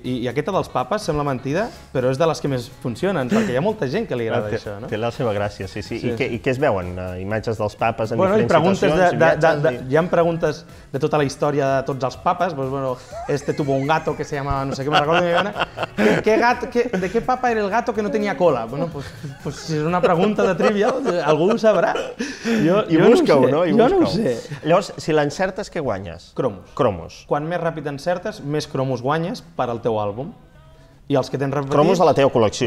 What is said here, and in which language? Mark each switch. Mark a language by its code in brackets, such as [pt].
[ca] I aquesta dels papes sembla mentida, però és de les que més funcionen, perquè hi ha molta gent que li agrada això. No? Té la seva gràcia, sí. Sí. I què es veuen? Imatges dels papes en diferents situacions? Hi ha preguntes de tota la història de tots els papes. [es] Pues, bueno, este tuvo un gato que se llamaba, no sé què, me recordo. [ca] De què papa era el gato que no tenia cola? Bueno, pues si és una pregunta de Trivial, algú ho sabrà. Jo no ho sé. Llavors, si l'encertes, què guanyes? Cromos. Quan més ràpid encertes, més cromos guanyes per al teu àlbum. I els que tens repetit... Cromos de la teva col·lecció.